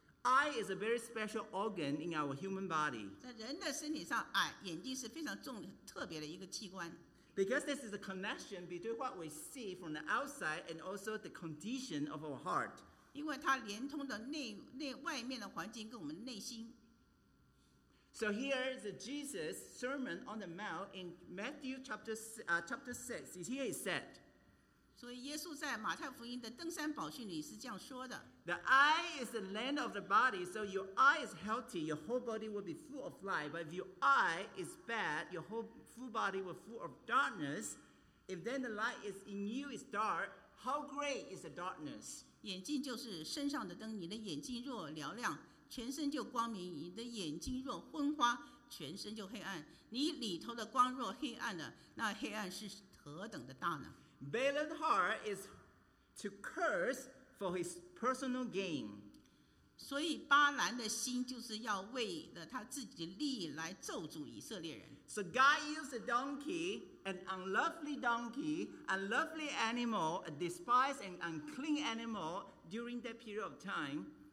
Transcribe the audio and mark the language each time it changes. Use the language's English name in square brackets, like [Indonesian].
[English] Eye is a very special organ in our human body. [Chinese] 在人的身体上，眼睛是非常重特别的一个器官。 [English] Because this is a connection between what we see from the outside and also the condition of our heart. [Chinese] 因为它连通的内外面的环境跟我们内心。 [English] So here is Jesus' Sermon on the Mount in Matthew chapter 6. Here he said, [Chinese] 所以耶稣在马太福音的登山宝训里是这样说的。 [English] The eye is the lamp of the body, so your eye is healthy, your whole body will be full of light. But if your eye is bad, your whole full body will be full of darkness. If then the light is in you is dark, how great is the darkness? [Chinese] 眼睛就是身上的灯，你的眼睛若嘹亮， 全身就光明，你的眼睛若昏花，全身就黑暗。你里头的光若黑暗了，那黑暗是何等的大呢？ [English] Balaam's heart is to curse for his personal gain. [Chinese] 所以巴兰的心就是要为了他自己的利益来咒诅以色列人。 [English] So God used a donkey, an unlovely donkey, unlovely animal, a despised and unclean animal during that period of time.